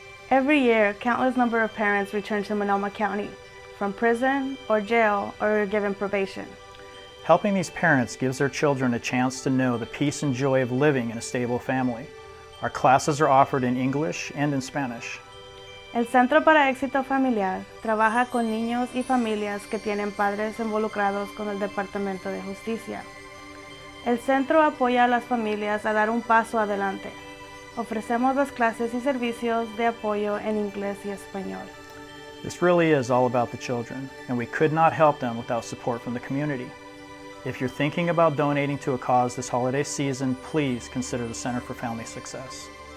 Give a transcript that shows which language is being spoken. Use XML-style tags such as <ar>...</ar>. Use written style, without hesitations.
<en>Every year, countless number of parents return to Multnomah County from prison or jail or are given probation. Helping these parents gives their children a chance to know the peace and joy of living in a stable family. Our classes are offered in English and in Spanish.</en> <es>El Centro para Éxito Familiar trabaja con niños y familias que tienen padres involucrados con el Departamento de Justicia. El centro apoya a las familias a dar un paso adelante. Ofrecemos las clases y servicios de apoyo en inglés y español.</es> <en>This really is all about the children, and we could not help them without support from the community. If you're thinking about donating to a cause this holiday season, please consider the Center for Family Success.</en>